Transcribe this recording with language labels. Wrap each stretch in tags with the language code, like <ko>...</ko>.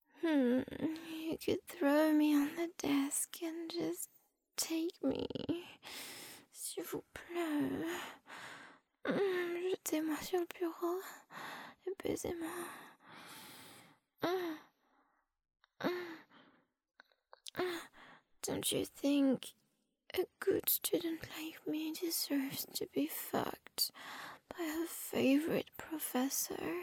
<en>You could throw me on the desk and just take me.</en> <fr>S'il vous plaît. Jetez-moi sur le bureau et baisez-moi.</fr> <en>Don't you think a good student like me deserves to be fucked by her favorite professor?</en>